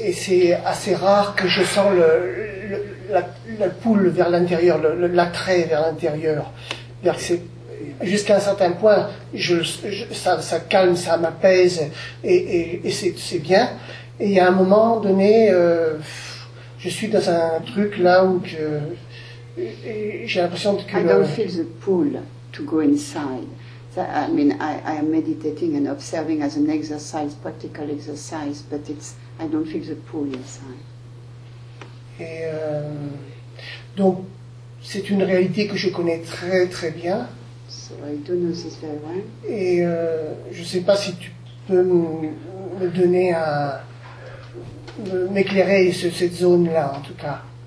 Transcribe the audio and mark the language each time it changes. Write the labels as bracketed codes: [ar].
[fr] Et c'est assez rare que je sens la poule vers l'intérieur, l'attrait vers l'intérieur. Jusqu'à un certain point, ça calme, ça m'apaise, et c'est bien. Et à un moment donné, je suis dans un truc là où j'ai l'impression que... [en] I don't feel the pull to go inside. I mean, I am meditating and observing as an exercise, practical exercise, but I don't feel the pull inside. [fr] Et donc, c'est une réalité que je connais très très bien. [en] So I do know this very well. [fr] Et je ne sais pas si tu peux me donner m'éclairer sur cette zone-là, en tout cas.